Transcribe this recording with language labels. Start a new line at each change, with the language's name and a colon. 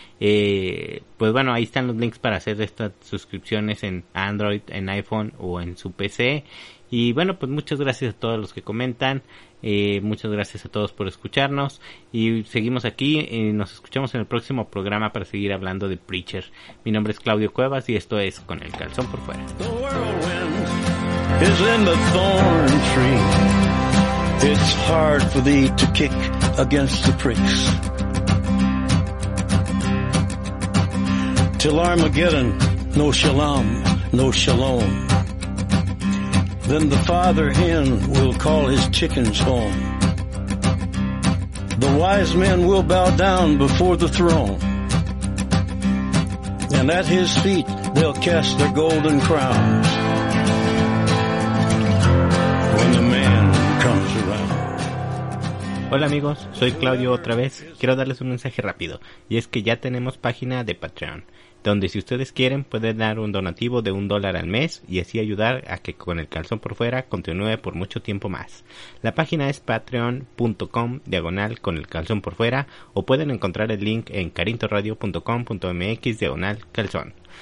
Spanish: Pues bueno, ahí están los links para hacer estas suscripciones en Android, en iPhone o en su PC. Y bueno, pues muchas gracias a todos los que comentan, muchas gracias a todos por escucharnos y seguimos aquí y nos escuchamos en el próximo programa para seguir hablando de Preacher. Mi nombre es Claudio Cuevas y esto es Con el Calzón por Fuera.
English: The whirlwind is in the thorn tree. It's hard for thee to kick against the pricks. Till Armageddon, no shalom, no shalom. Then the father hen will call his chickens home. The wise men will bow down before the throne. And at his feet they'll cast their golden crowns. When the man comes around.
Spanish: Hola amigos, soy Claudio otra vez. Quiero darles un mensaje rápido. Y es que ya tenemos página de Patreon, donde si ustedes quieren pueden dar un donativo de $1 al mes y así ayudar a que Con el Calzón por Fuera continúe por mucho tiempo más. La página es patreon.com/conelcalzonporfuera o pueden encontrar el link en carintoradio.com.mx/calzón.